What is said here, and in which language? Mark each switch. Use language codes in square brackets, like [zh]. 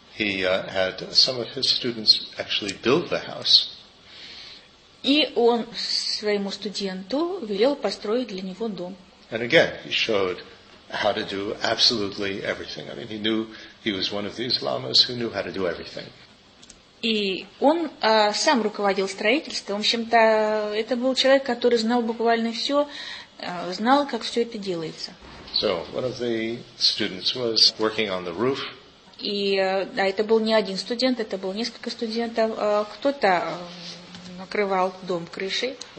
[en] He had some of his students actually build the house. [ru] И он своему студенту велел построить для него дом. [en] And again, he showed how to do absolutely everything. I mean, he knew he was one of these lamas who knew how to do everything. [ru] И он сам руководил строительством. В общем-то, это был человек, который знал буквально все, знал, как все это делается. [en] So, one of the students was working on the roof. [ru] И да, это был не один студент, это было несколько студентов. Кто-то накрывал дом крышей.